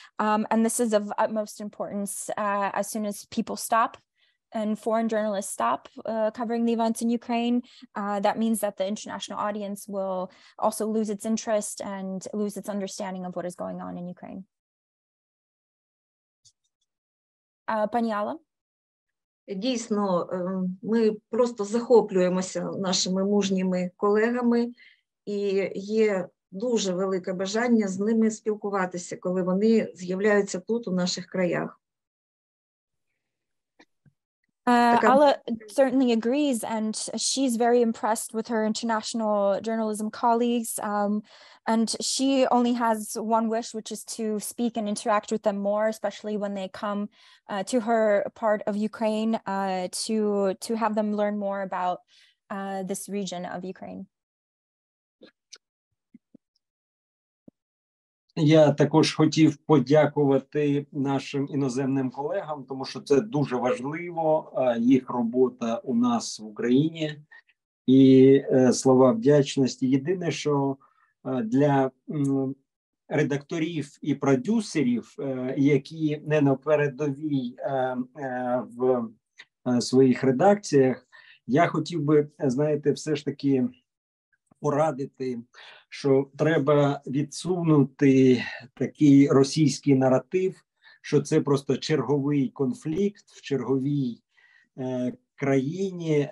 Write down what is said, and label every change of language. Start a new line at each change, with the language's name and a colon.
English: And this is of utmost importance as soon as people stop and foreign journalists stop covering the events in Ukraine. That means that the international audience will also lose its interest and lose its understanding of what is going on in Ukraine.
Ukrainian: Пані Алла? Дійсно, ми просто захоплюємося нашими мужніми колегами, і є дуже велике бажання з ними спілкуватися, коли вони з'являються тут, у наших краях.
English: Alla certainly agrees, and she's very impressed with her international journalism colleagues. And she only has one wish, which is to speak and interact with them more, especially when they come to her part of Ukraine, to have them learn more about this region of Ukraine.
Ukrainian: Я також хотів подякувати нашим іноземним колегам, тому що це дуже важливо, їх робота у нас в Україні, і слова вдячності. Єдине, що для редакторів і продюсерів, які не на передовій в своїх редакціях, я хотів би, знаєте, все ж таки порадити, що треба відсунути такий російський наратив, що це просто черговий конфлікт в черговій країні.